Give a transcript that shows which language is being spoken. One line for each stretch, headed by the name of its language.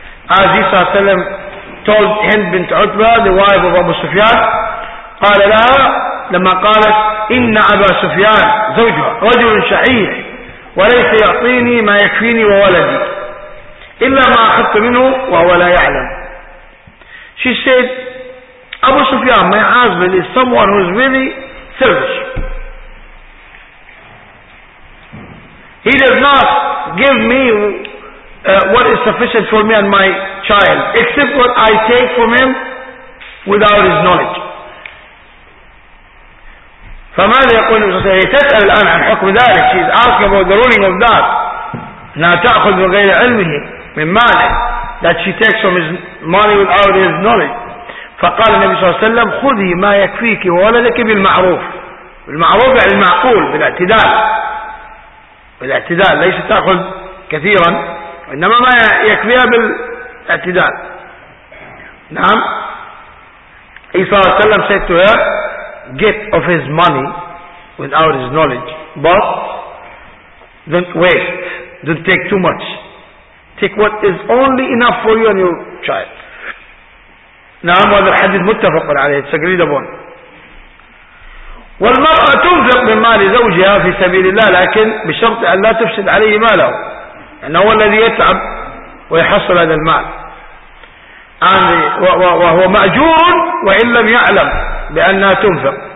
Arabic: هذه صلى الله عليه وسلم told هند بنت عتبة
English: the wife of
Arabic: أبو سفيان، قال لها لما قالت إن أبا سفيان زوجها رجل شحيح وليس يعطيني ما يكفيني وولدي إلا ما أخذت منه وهو لا يعلم، she said أبو سفيان
English: my husband is someone who is really selfish. He does not give me what is sufficient for me and my child, except what I take from him without his knowledge.
Arabic: فماذا يقول الرسول؟ هي تسأل الآن عن حكم ذلك.
English: She is asking about the ruling of that.
Arabic: أنها تأخذ من غير علمه من ماله.
English: That she takes from his money without his knowledge.
Arabic: فقال النبي صلى الله عليه وسلم خذي ما يكفيك وولدك بالمعروف. بالمعروف يعني المعقول بالاعتدال. بالاعتدال ليس تأخذ كثيرا إنما ما يكفيها بالاعتدال.
English: نعم صلى الله عليه وسلم said to her get of his money without his knowledge but don't waste, don't take too much, take what is only enough for you and your child.
Arabic: نعم وهذا الحديث متفق عليه تسجريد أبون. والمرأة تنفق من مال زوجها في سبيل الله لكن بشرط أن لا تفسد عليه ماله، لأنه هو الذي يتعب ويحصل هذا المال وهو مأجور وإن لم يعلم بأنها تنفق.